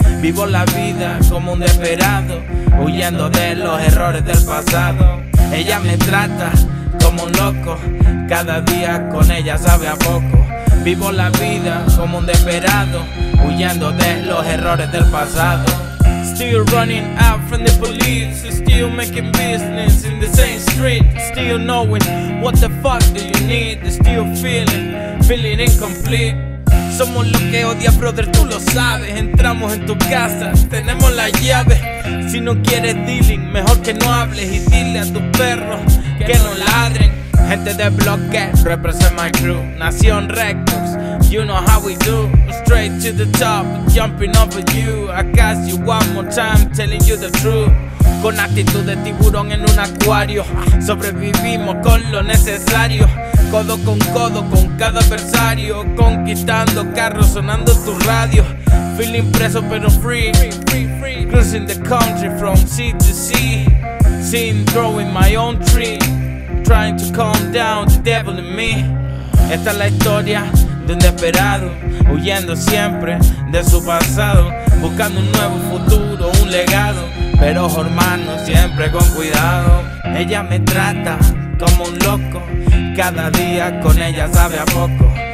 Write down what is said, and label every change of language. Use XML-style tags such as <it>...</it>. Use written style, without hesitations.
<es>Vivo la vida como un desesperado, huyendo de los errores del pasado. Ella me trata como un loco, cada día con ella sabe a poco. Vivo la vida como un desesperado, huyendo de los errores del pasado.</es> <en>Still running out from the police, still making business in the same street. Still knowing what the fuck do you need, still feeling incomplete.</en> <es>Somos lo que odias, brother, tú lo sabes. Entramos en tu casa, tenemos la llave. Si no quieres dealing, mejor que no hables. Y dile a tus perros que no ladren. Gente de bloque,</es> <en>represent my crew. Nación Records, you know how we do. Straight to the top, jumping over you. I cast you one more time, telling you the truth.</en> <es>Con actitud de tiburón en un acuario, sobrevivimos con lo necesario. Codo con cada adversario, conquistando carros, sonando tu radio.</es> <en>Feeling</en> <es>preso pero</es> <en>free. Cruising the country from sea to sea. Seeing growing my own tree. Trying to calm down the devil in me.</en> <es>Esta es la historia de un desesperado, huyendo siempre de su pasado. Buscando un nuevo futuro, un legado. Pero hermano, siempre con cuidado. Ella me trata como un loco, cada día con ella sabe a poco.</es>